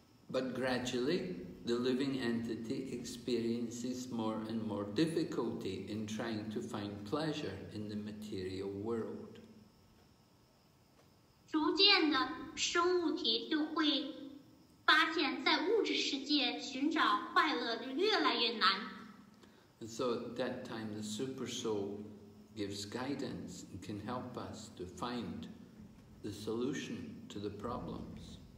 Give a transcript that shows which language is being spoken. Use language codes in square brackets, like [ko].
[en] But gradually, the living entity experiences more and more difficulty in trying to find pleasure in the material world. [zh] 逐渐的，生物体就会发现，在物质世界寻找快乐就越来越难。 [en] And so at that time, the super soul gives guidance and can help us to find the solution to the problems.